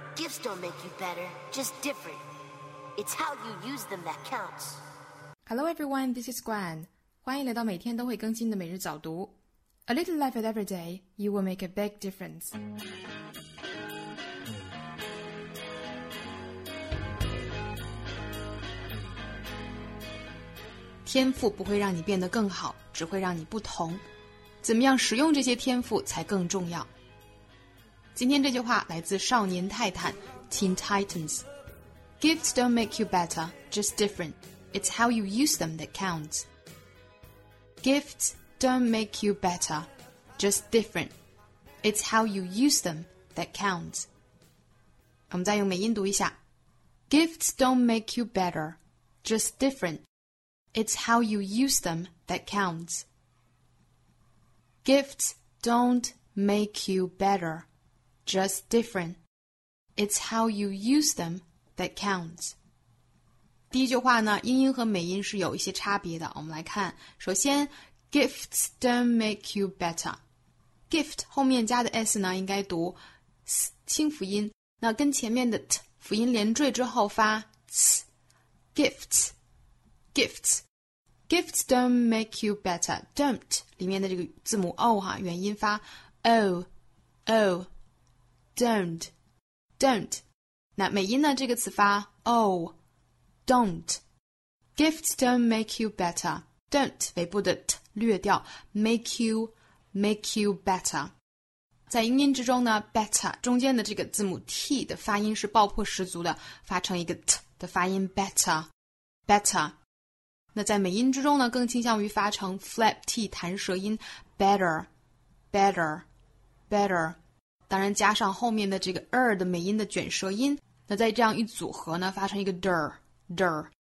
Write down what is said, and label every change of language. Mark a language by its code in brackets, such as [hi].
[en] gifts don't make you better, just different. It's how you use them that counts. Hello everyone, this is Gwen. [zh] 欢迎来到每天都会更新的每日早读。 [en] A little life at every day, you will make a big difference. [zh] 天赋不会让你变得更好，只会让你不同。怎么样使用这些天赋才更重要？今天这句话来自《少年泰坦》（Teen Titans）。 [en] Gifts don't make you better, just different. It's how you use them that counts. Gifts don't make you better, just different. It's how you use them that counts. [zh] 我们再用美音读一下 [en] ：Gifts don't make you better, just different. It's how you use them that counts. Gifts don't make you better, just different. It's how you use them that counts. [zh] 第一句话呢，英音和美音是有一些差别的。我们来看，首先 ， [en] gifts don't make you better. [zh] Gift 后面加的 s 呢，应该读 s 轻辅音，那跟前面的 t 辅音连缀之后发 s. [en] Gifts. Gifts don't make you better. [zh] Don't 里面的这个字母 o 哈，元音发 o o. Don't 那美音呢，这个词发 o. [en] Don't. Gifts don't make you better. Don't [zh] 尾部的 t 略掉， [en] make you better. [zh] 在英音之中呢， better 中间的这个字母 t 的发音是爆破十足的，发成一个 t 的发音， better. 那在美音之中呢，更倾向于发成 flap t 弹舌音 better 当然加上后面的这个 r 的美音的卷舌音，那再这样一组合呢，发成一个 der